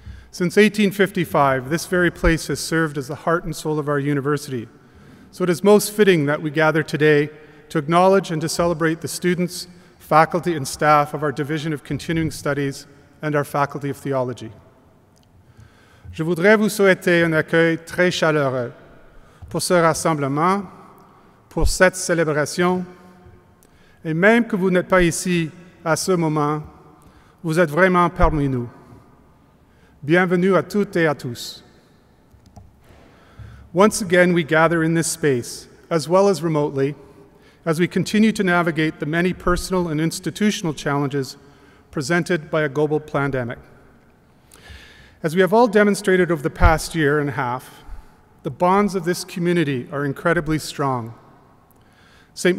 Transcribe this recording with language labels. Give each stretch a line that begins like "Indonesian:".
English: Since 1855, this very place has served as the heart and soul of our university, so it is most fitting that we gather today to acknowledge and to celebrate the students, faculty, and staff of our Division of Continuing Studies and our Faculty of Theology.
French: Je voudrais vous souhaiter un accueil très chaleureux pour ce rassemblement, pour cette célébration, et même que vous n'êtes pas ici à ce moment, vous êtes vraiment parmi nous. Bienvenue à toutes et à tous.
English: Once again, we gather in this space, as well as remotely, as we continue to navigate the many personal and institutional challenges presented by a global pandemic. As we have all demonstrated over the past year and a half, the bonds of this community are incredibly strong. St.